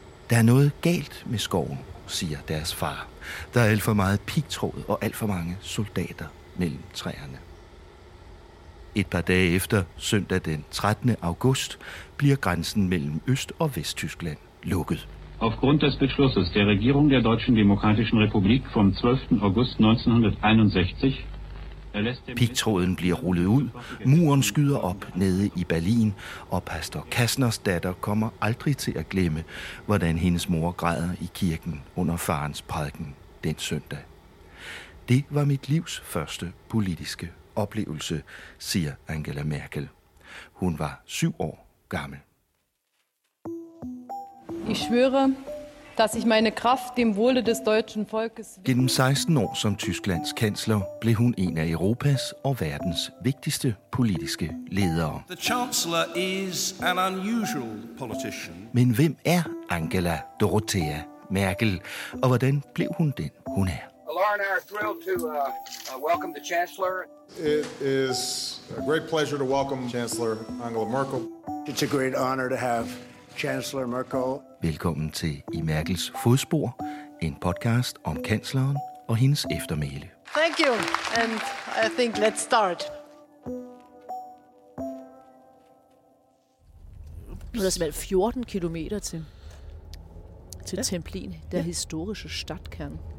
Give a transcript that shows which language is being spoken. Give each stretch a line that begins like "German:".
Danish: Der er noget galt med skoven, siger deres far. Der er alt for meget pigtråd og alt for mange soldater mellem træerne. Et par dage efter, søndag den 13. august, bliver grænsen mellem Øst- og Vesttyskland lukket.
German: Aufgrund des Beschlusses der Regierung der Deutschen Demokratischen Republik vom 12. August 1961 erlässt
Danish: der Pigtråden bliver rullet ud, muren skyder op nede i Berlin, og pastor Kastners datter kommer aldrig til at glemme, hvordan hendes mor græder i kirken under farens prædiken den søndag. Det var mit livs første politiske oplevelse, siger Angela Merkel. Hun var 7 år gammel.
German: Ich schwöre, dass ich meine Kraft dem Wohle des deutschen Volkes.
Danish: Gennem 16 år som Tysklands kansler blev hun en af Europas og verdens vigtigste politiske ledere.
English: The Chancellor is an unusual politician.
Danish: Men hvem er Angela Dorothea Merkel, og hvordan blev hun den, hun er?
English: Laura and I are thrilled to welcome the Chancellor. It is a great pleasure to welcome Chancellor Angela Merkel. It's a great honor to have Chancellor Merkel.
Danish: Velkommen til I Merkels fodspor, en podcast om kansleren og hendes eftermæle.
English: Thank you, and I think let's start.
Danish: Det er simpelthen 14 kilometer til Templin, der historiske stadskern.